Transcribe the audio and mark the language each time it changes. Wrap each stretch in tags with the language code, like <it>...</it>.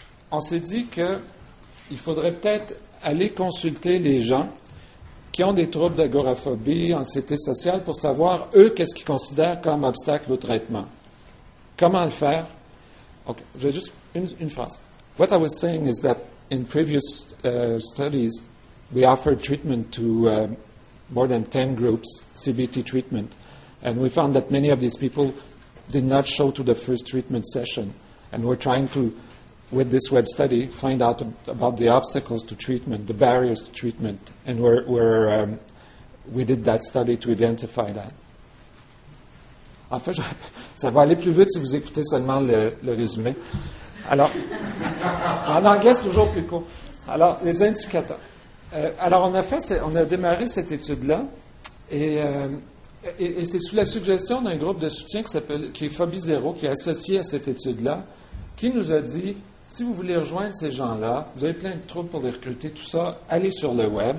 <fr>On s'est dit qu'il faudrait peut-être aller consulter les gens qui ont des troubles d'agoraphobie, anxiété sociale, pour savoir, eux, qu'est-ce qu'ils considèrent comme obstacle au traitement. Comment le faire? OK, j'ai juste une phrase.</fr> <en>What I was saying is that in previous studies, we offered treatment to more than 10 groups, CBT treatment, and we found that many of these people did not show to the first treatment session. And we're trying to, with this web study, find out about the obstacles to treatment, the barriers to treatment, and we did that study to identify that.</en> <fr>En fait, ça va aller plus vite si vous écoutez seulement le résumé. Alors, en anglais, c'est toujours plus court. Alors, les indicateurs. On a démarré cette étude-là et c'est sous la suggestion d'un groupe de soutien qui est Phobie Zéro, qui est associé à cette étude-là, qui nous a dit, si vous voulez rejoindre ces gens-là, vous avez plein de troubles pour les recruter, tout ça, allez sur le web.</fr>